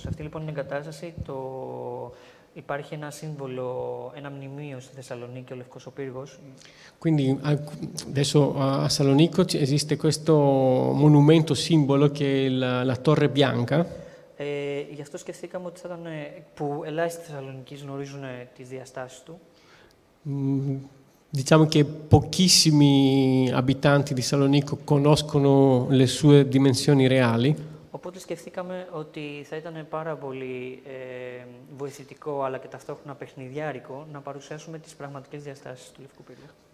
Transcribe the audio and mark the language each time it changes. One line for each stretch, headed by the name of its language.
Greek: Σε αυτή λοιπόν την εγκατάσταση το... Υπάρχει ένα σύμβολο, ένα μνημείο στη Θεσσαλονίκη, ο Λευκός ο Πύργος.
Italian: Quindi adesso a Salonico esiste questo monumento simbolo che è la, la Torre Bianca.
Greek: Γι' αυτό σκεφτήκαμε ότι θα ήταν που ελάχιστοι Θεσσαλονικοί γνωρίζουν τις διαστάσεις του.
Italian: Diciamo che pochissimi abitanti di Salonico conoscono le sue dimensioni reali.
Greek: Οπότε σκεφτήκαμε ότι θα ήταν πάρα πολύ βοηθητικό αλλά και ταυτόχρονα παιχνιδιάρικο να παρουσιάσουμε τις πραγματικές διαστάσεις του Λευκού Πύργου.